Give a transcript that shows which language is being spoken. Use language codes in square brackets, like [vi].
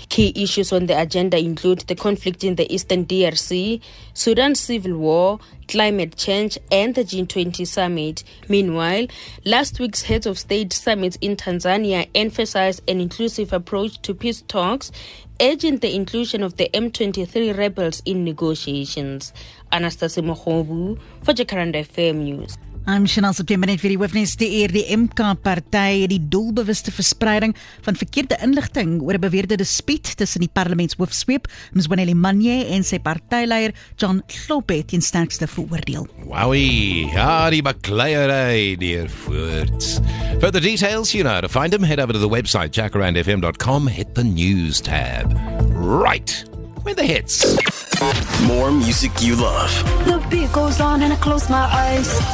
[en] Key issues on the agenda include the conflict in the Eastern DRC, Sudan's civil war, climate change, and the G20 summit. Meanwhile, last week's heads of state summits in Tanzania emphasized an inclusive approach to peace talks, urging the inclusion of the M23 rebels in negotiations. Anastasia Mohobu for Jacaranda FM News. I'm [af] Chanel September, net vir die hoofnuus. Die MK party het die doelbewuste verspreiding van verkeerde inligting oor 'n beweerde dispuut tussen die parlementshoofsweep Zwanele Manye en sy partyleier John Thlope teen sterkste veroordeel. Wowie, ja, die bakleierei deur voort. [en] For the details, you know, to find them, head over to the website jackarandfm.com, hit the news tab. Right, where the hits. More music you love. The beat goes on and I close my eyes.